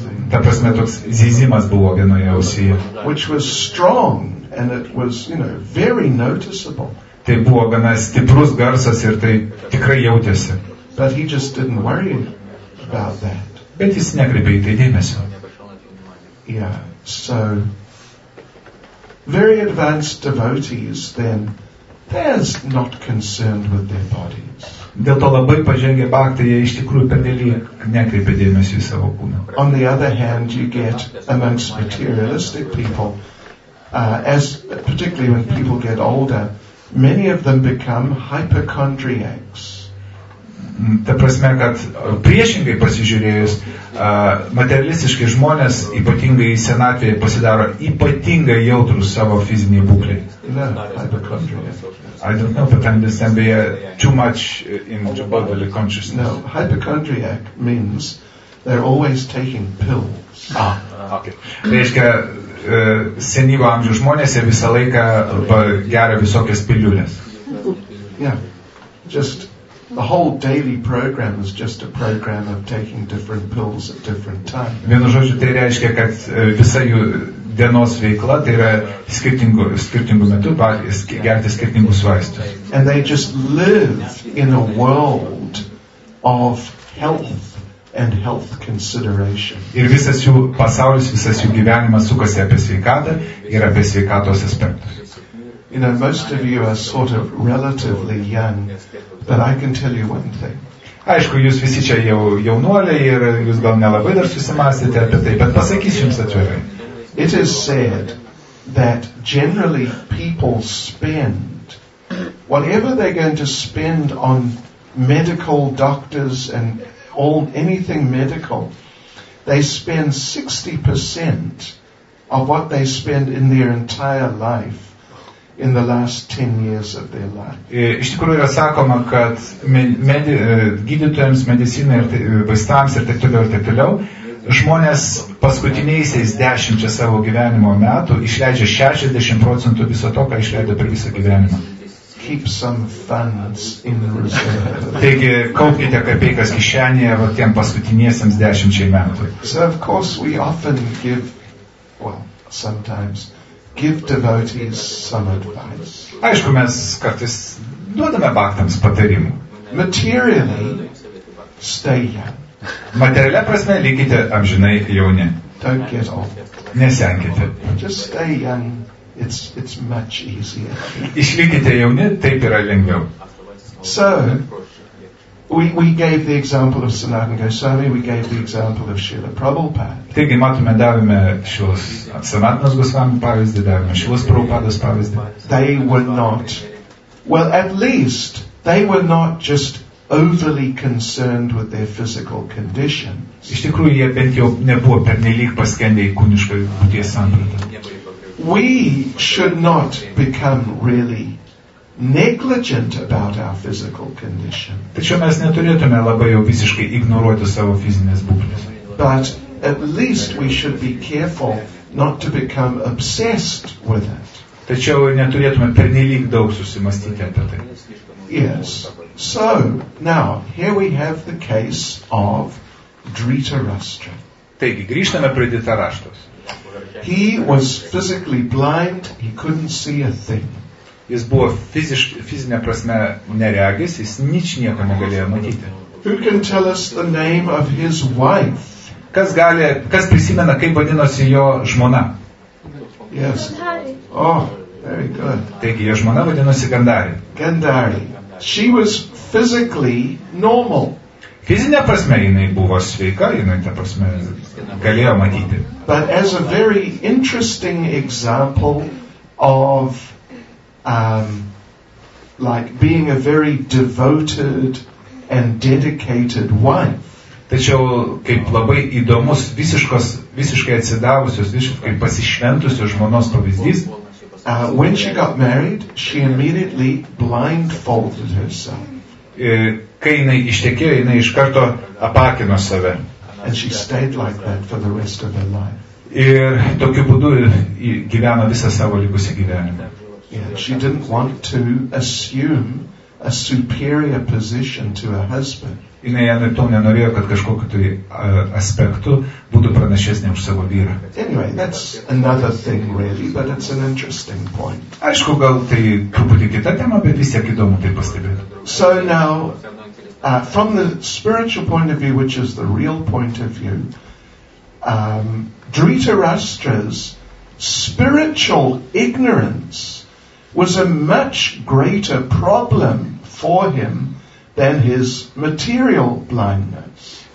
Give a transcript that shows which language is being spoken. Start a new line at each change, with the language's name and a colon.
Lithuanian: Ta prasme, toks zyzimas buvo vienoje ausyje.
English: Which was strong, and it was, you know, very noticeable.
Lithuanian: Tai buvo gana stiprus garsas ir tai tikrai jautėsi.
English: But he just didn't worry about that.
Lithuanian: Bet jis nekreipė į tai dėmesio.
English: Yeah, so very advanced devotees then, they're not concerned with their bodies.
Lithuanian: Dėl to labai pažengę bhaktai, jie iš tikrųjų pernelyg nekreipė dėmesio į savo kūną.
English: On the other hand, you get amongst materialistic people, as particularly when people get older, many of them become hypochondriacs.
Lithuanian: Ta prasme, kad priešingai pasižiūrėjus, materialistiškai žmonės, ypatingai į senatvę, pasidaro ypatingai jautrus savo fizinį būklį.
English: No, I don't know, but I understand they are too much in bodily consciousness. No, hypochondriac means they're always taking pills.
Lithuanian: Reiškia, senyvo amžiaus žmonės jie visą laiką geria visokias piliulės.
English: The whole daily program is just a program of taking different pills at different times.
Lithuanian: Vienu žodžiu, tai reiškia, kad visa jų dienos veikla tai yra skirtingų metu gerti skirtingus vaistus.
English: And they just live in a world of health and health consideration.
Lithuanian: Ir visas jų pasaulis, visas jų gyvenimas sukasi apie sveikatą ir apie sveikatos aspektus.
English: You know, most of you are sort of relatively young, but I can tell you one thing.
Lithuanian: Aišku, jūs visi čia jau jaunuoliai ir jūs gal nelabai dar susimąstėte apie tai, bet pasakysiu jums atvirai.
English: It is said that generally people spend whatever they're going to spend on medical doctors and all anything medical, they spend 60% of what they spend in their entire life in the last 10 years of their life.
Lithuanian: Iš tikrųjų yra sakoma, kad gydytojams, medicinai ir vaistams ir taip toliau ir taip toliau, žmonės paskutiniaisiais 10 savo gyvenimo metų išleidžia 60% viso to, ką išleido per visą gyvenimą.
English: Keep some funds in reserve.
Lithuanian: Taigi, kaupkite kapeikas kišenėje va tiem paskutiniesiems 10 metų.
English: So of course we often give, well, sometimes give devotees some advice.
Lithuanian: Aišku, mes kartais duodame bhaktams patarimų.
English: Materially, stay young.
Lithuanian: Materialia prasme, likite amžinai jauni.
English: Don't get old.
Lithuanian: Nesenkite.
English: Just stay young, it's much easier.
Lithuanian: Išlikite jauni, taip yra lengviau.
English: So, we gave the example of Sanatana Goswami, we gave the example of Srila Prabhupada.
Lithuanian: Taigi matome, davime šios Sanatanas Goswami pavyzdį, davime šios Prabhupadas pavyzdį.
English: They were not, well, at least, they were not just overly concerned with their physical condition.
Lithuanian: Iš tikrųjų, jie bent jau nebuvo pernelyg paskendę į kūnišką būties sampratą.
English: We should not become really negligent about our physical condition.
Lithuanian: Tačiau mes neturėtume labai jau visiškai ignoruoti savo fizinės būklės.
English: But at least we should be careful not to become obsessed with it.
Lithuanian: Tačiau neturėtume pernelyg daug susimastyti apie tai.
English: Yes. So, now, here we have the case of Dhritarashtra.
Lithuanian: Taigi, grįžtame prie Dhritarashtros.
English: He was physically blind, he couldn't see a thing.
Lithuanian: Jis buvo fizinė prasme neregis, jis nič nieko negalėjo matyti.
English: Who can tell us the name of his wife?
Lithuanian: Kas prisimena, kaip vadinosi jo žmona?
English: Yes. Oh, very good.
Lithuanian: Taigi, jo žmona vadinosi Gandhari.
English: Gandhari. She was physically normal.
Lithuanian: Fizinė prasme, jinai buvo sveika, jinai tą prasme galėjo matyti.
English: But as a very interesting example of like being a very devoted and dedicated wife.
Lithuanian: Tačiau kaip labai įdomus visiškai atsidavusios, visiškai pasišventusios žmonos pavyzdys.
English: When she got married, she immediately blindfolded herself.
Lithuanian: Kai jinai ištekėjo, jinai iš karto apakino save.
English: And she stayed like that for the rest of her life.
Lithuanian: Ir tokiu būdu gyveno visą savo likusį gyvenimą.
English: Yeah, she didn't want to assume a superior position to her husband.
Lithuanian: Jinai jam ir to nenorėjo, kad kažkokiu tai aspektu būtų pranašesnė už savo vyrą.
English: Anyway, that's another thing really, but it's an interesting point.
Lithuanian: Aišku, gal tai truputį kita tema, bet vis tiek įdomu tai pastebėti.
English: So now, from the spiritual point of view, which is the real point of view, Dhritarashtra's spiritual ignorance was a much greater problem for him than his material blindness.